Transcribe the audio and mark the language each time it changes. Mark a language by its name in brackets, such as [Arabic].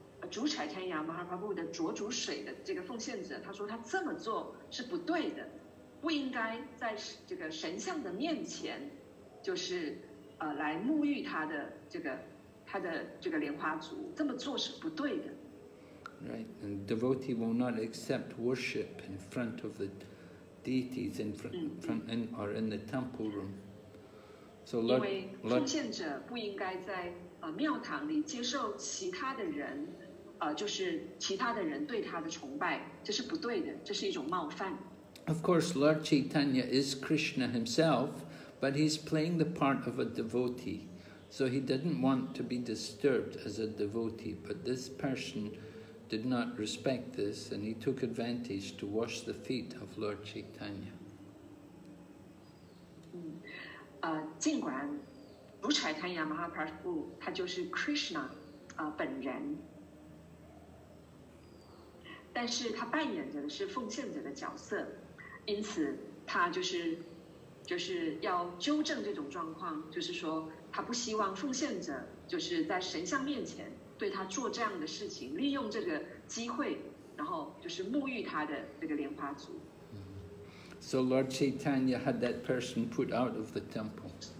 [Chinese] 主柴坦亚马哈帕布的浊煮水的这个奉献者，他说他这么做是不对的，不应该在这个神像的面前就是来沐浴他的这个莲花足，这么做是不对的。 [English] Right, and devotee will not accept worship in front of the deities in front in or in the temple room. So Lord, [Chinese] 因为奉献者不应该在庙堂里接受其他的人，就是其他的人对他的崇拜，这是不对的，这是一种冒犯。 [English] Of course, Lord Chaitanya is Krishna himself. But he's playing the part of a devotee, so he didn't want to be disturbed as a devotee. But this person did not respect this, and he took advantage to wash the feet of Lord Chaitanya. [Chinese] 尽管卢柴坦亚马哈帕布他就是 Krishna 本人，但是他扮演着的是奉献者的角色，因此他就是要纠正这种状况，就是说他不希望奉献者就是在神像面前对他做这样的事情，利用这个机会然后就是沐浴他的这个莲花足。 [English] So Lord Chaitanya had that person put out of the temple.